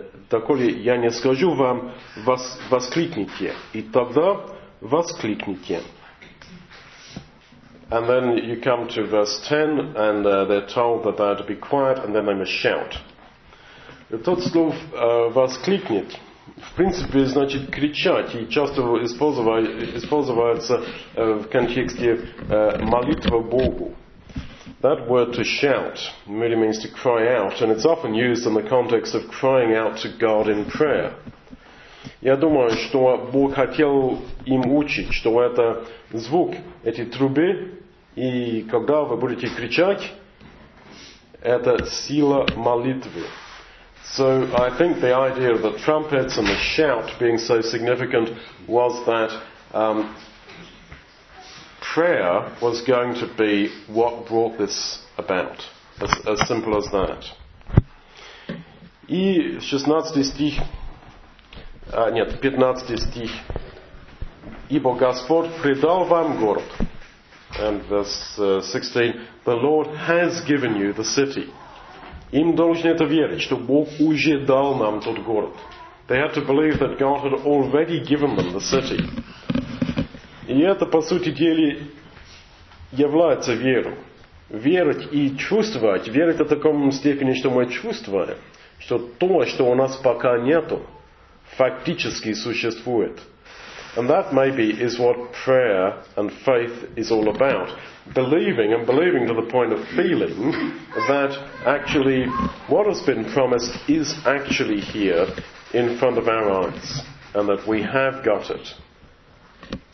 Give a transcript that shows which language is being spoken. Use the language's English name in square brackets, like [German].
[Russian] Доколе я не скажу вам, воскликните, и тогда воскликните. [English] And then you come to verse 10, and they're told that they are to be quiet, and then they must shout. [Russian] Тот слов воскликнет, в принципе, значит кричать, и часто используется в контексте молитвы Богу. [English] That word to shout merely means to cry out, and it's often used in the context of crying out to God in prayer. [Russian] Я думаю, что Бог хотел им учить, что это звук, эти трубы, и когда вы будете кричать, это сила молитвы. [English] So I think the idea of the trumpets and the shout being so significant was that prayer was going to be what brought this about. As simple as that. [Russian] И 16 стих, нет, 15 стих. Ибо Господь предал вам город. [English] And verse 16, the Lord has given you the city. [Russian] Им должны это верить, что Бог уже дал нам тот город. [English] They had to believe that God had already given them the city. [Russian] И это, по сути дела, является верой. Верить и чувствовать. Верить в таком степени, что мы чувствуем, что то, что у нас пока нету, фактически существует. [English] And that maybe is what prayer and faith is all about. Believing, and believing to the point of feeling, that actually what has been promised is actually here in front of our eyes, and that we have got it.